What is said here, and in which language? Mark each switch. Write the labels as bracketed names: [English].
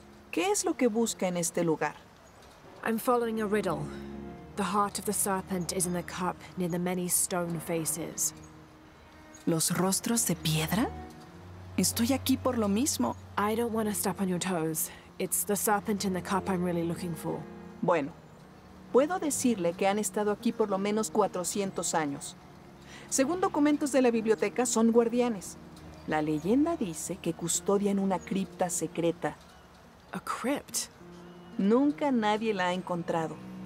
[Spanish] ¿Qué es lo que busca en este lugar? [English] I'm following a riddle. The heart of the serpent is in the cup near the many stone faces. [Spanish] ¿Los rostros de piedra? Estoy aquí por lo mismo. [English] I don't want to step on your toes. It's the serpent in the cup I'm really looking for. [Spanish] Bueno, puedo decirle que han estado aquí por lo menos 400 años. Según documentos de la biblioteca, son guardianes. La leyenda dice que custodian una cripta secreta. [English] A crypt? [Spanish] Nunca nadie la ha encontrado.